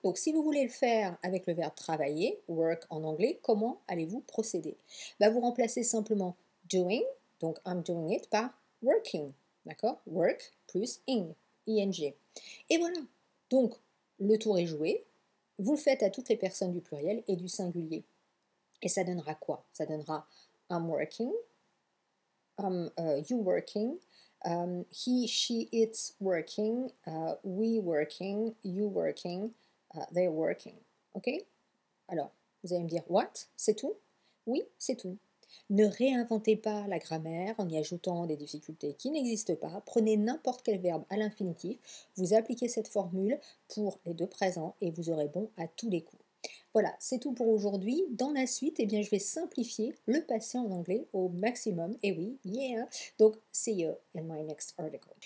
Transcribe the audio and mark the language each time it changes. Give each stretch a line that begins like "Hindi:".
French: Donc, si vous voulez le faire avec le verbe travailler, work en anglais, comment allez-vous procéder? Bah, vous remplacez simplement doing, donc
English: I'm doing it,
French: par working. D'accord? Work plus ing, ing. Et voilà. Donc, le tour est joué. Vous le faites à toutes les personnes du pluriel et du singulier. Et ça donnera quoi? Ça donnera
English: I'm working, I'm, you working, he, she, it's working, we working, you working, they're working.
French: OK? Alors, vous allez me dire, what? C'est tout? Oui, c'est tout. Ne réinventez pas la grammaire en y ajoutant des difficultés qui n'existent pas. Prenez n'importe quel verbe à l'infinitif. Vous appliquez cette formule pour les deux présents et vous aurez bon à tous les coups. Voilà, c'est tout pour aujourd'hui. Dans la suite, eh bien, je vais simplifier le passé en anglais au maximum. Et oui, yeah!
English: Donc, see you in my next article.